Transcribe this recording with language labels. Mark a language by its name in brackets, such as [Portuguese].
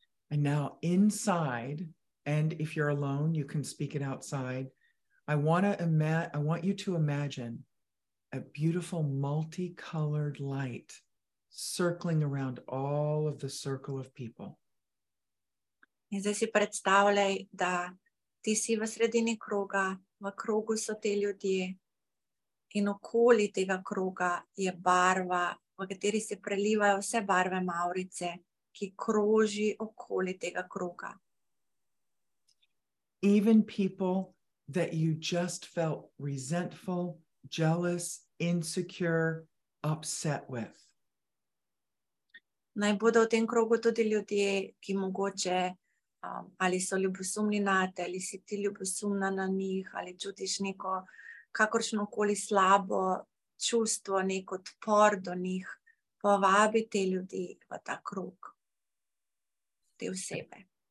[English] And now inside, and if you're alone, you can speak it outside. I want you to imagine a beautiful multicolored light circling around all of the circle of people. [Slovenian] In zdaj si predstavljaj, da ti si v sredini kroga, v krogu so te ljudje in okoli tega kroga je barva, v kateri se prelivajo vse barve mavrice, ki kroži okoli tega kroga. [English] Even people that you just felt resentful, jealous, insecure, upset with. [Slovenian] Naj bodo v tem krogu tudi ljudje, ki mogoče ali so ljubosumni na te, ali si ti ljubosumna na njih, ali čutiš neko kakršnokoli slabo čustvo, nek odpor do njih, povabi te ljudi v ta krog, te osebe.